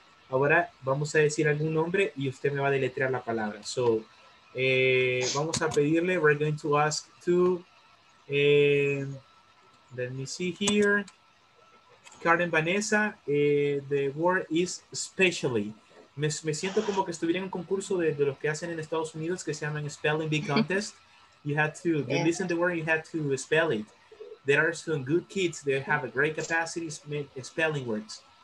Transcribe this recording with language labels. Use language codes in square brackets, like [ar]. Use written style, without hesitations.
[es] Ahora vamos a decir algún nombre y usted me va a deletrear la palabra. [en] So... [es] vamos a pedirle, [en] we're going to ask to, let me see here, Karen Vanessa, the word is specially. [es] Me siento como que estuviera en un concurso de los que hacen en Estados Unidos que se llaman Spelling Bee Contest. [en] You had to, yeah. You listen to the word, you had to spell it. There are some good kids, they have a great capacity spelling words.